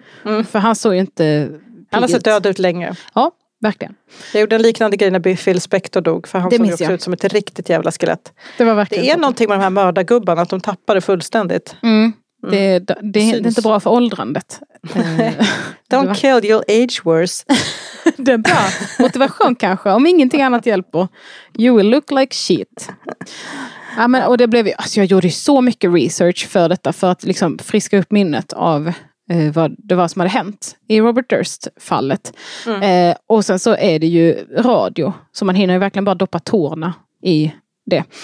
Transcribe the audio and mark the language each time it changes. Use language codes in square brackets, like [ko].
[sv] Mm. För han såg ju inte... Han har sett död ut länge. Ja, verkligen. Jag gjorde en liknande grej när Phil Spector dog. För han såg också ut som ett riktigt jävla skelett. Det var verkligen. Det är någonting med de här mördargubbarna. Att de tappar det fullständigt. Mm. Det är inte bra för åldrandet. [en] Don't kill, you'll age worse. [sv] Det är bra. Motivation kanske. Om ingenting annat hjälper. [en] You will look like shit. [sv] Ja, men, och det blev, alltså, jag gjorde så mycket research för detta. För att liksom, friska upp minnet av... vad det var som hade hänt i Robert Durst-fallet. Mm. Och sen så är det ju radio. Så man hinner ju verkligen bara doppa tårna i det.